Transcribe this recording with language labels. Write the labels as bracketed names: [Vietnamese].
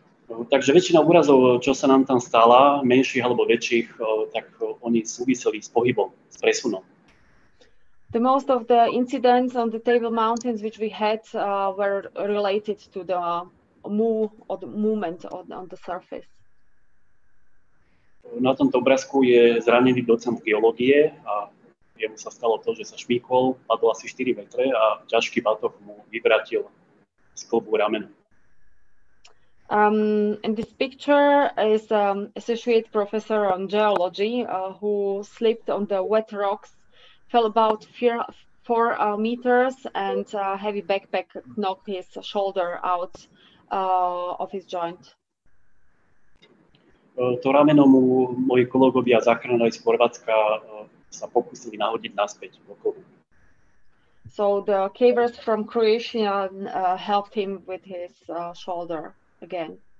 [Slovak] Takže väčšina úrazov, čo sa nám tam stala, menších alebo väčších, tak oni súviseli s pohybom, s presunom. [English] The most of the incidents on the Table Mountains which we had were related to the move or the movement on the surface. [Slovak] Na tomto obrázku je zranený docent geológie a jemu sa stalo to, že sa šmíkol, padol asi 4 metre a ťažký batoh mu vyvrátil z klobu ramena. [English] And this picture is associate professor on geology who slipped on the wet rocks, fell about 4 meters and a heavy backpack knocked his shoulder out of his joint. [Slovak] To rameno mu moji kolegovia záchranári z Chorvátska sa pokúsili nahodiť naspäť v okolí. [English] So the cavers from Croatia helped him with his shoulder again.